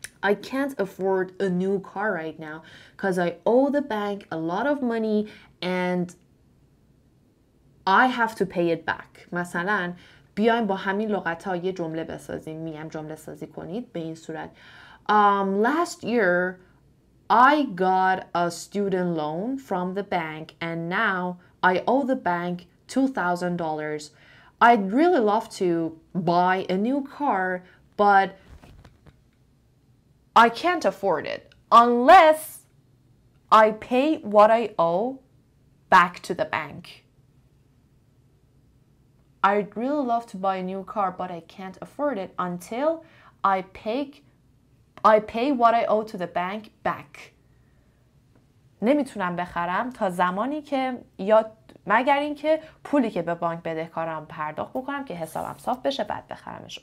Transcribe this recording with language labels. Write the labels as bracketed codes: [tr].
[en] I can't afford a new car right now because I owe the bank a lot of money and I have to pay it back. [fa] مثلا بیایم با همین لغت ها یه جمله بسازیم. میام جمله سازی کنید به این صورت. [en] Last year I got a student loan from the bank and now I owe the bank $2,000. I'd really love to buy a new car, but I can't afford it unless I pay what I owe back to the bank. I'd really love to buy a new car, but I can't afford it until I pay what I owe to the bank back. [fa] نمیتونم بخرم تا زمانی که یاد مگر اینکه پولی که به بانک بدهکارم پرداخت بکنم که حسابم صاف بشه بعد بخرمش.